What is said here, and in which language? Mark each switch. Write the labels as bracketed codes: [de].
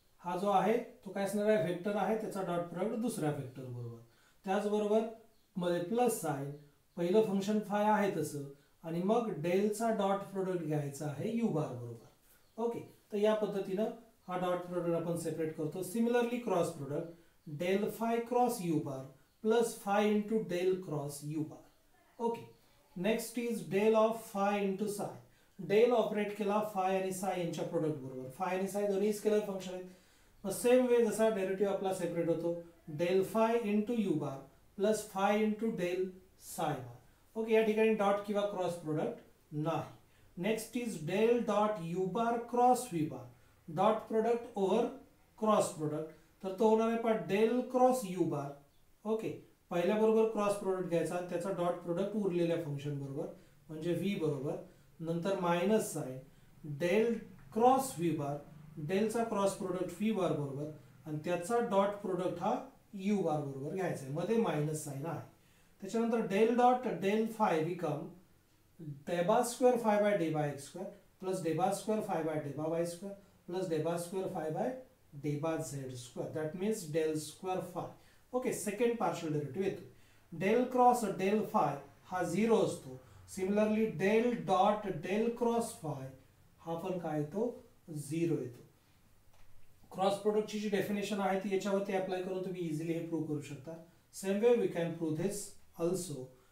[mr] हा जो आहे तो काय असणार आहे, व्हेक्टर आहे, त्याचा डॉट प्रोडक्ट दुसऱ्या व्हेक्टर बरोबर, त्याचबरोबर मध्ये प्लस साइन, पहिलं फंक्शन फाय आहे तसं आणि मग डेलचा डॉट प्रोडक्ट घ्यायचा आहे यू बार बरोबर, ओके। तर या पद्धतीनं हा डॉट प्रोडक्ट आपण सेपरेट करतो। [en] Similarly cross product, del phi cross u bar plus phi into del cross u bar, okay. Next is del of phi into psi, [mr] डेल ऑपरेट केला फाय आणि साय यांच्या प्रोडक्ट बरोबर, फाय आणि साय दोन्ही स्केलर फंक्शन आहेत, सेम वे जसा डेरिव्हेटिव्ह आपला सेपरेट होतो, del five into you bar plus five into del साय बार, ओके। या ठिकाणी डॉट किंवा क्रॉस प्रोडक्ट नाही। Next is del dot U bar cross we bar, dot product over cross product, तर तो होणार आहे पण del cross you bar, okay, पहिल्या बरोबर क्रॉस प्रोडक्ट घ्यायचा, त्याचा डॉट प्रोडक्ट उरलेल्या फंक्शन बरोबर म्हणजे व्ही बरोबर, नंतर मायनस साय del cross we bar, डेलचा cross product fee बार बरोबर आणि त्याचा डॉट प्रोडक्ट हा यू बार बरोबर घ्यायचा आहे, मध्ये मायनस साइन आहे। त्याच्यानंतर [en] Del dot del phi become डेबा square phi by डेबा x square plus डेबा square phi by डेबा y square plus डेबा square phi by डेबा z square, that means del square phi, okay. [mr] Second partial derivative येतो, del cross del five हा zero असतो, similarly del dot del cross five हा पण काय येतो, zero येतो। Cross प्रोडक्टची जी definition आहे ती याच्यावरती अप्लाय करून तुम्ही इझिली हे प्रूव्ह करू शकता, [en] Same way we can prove this also.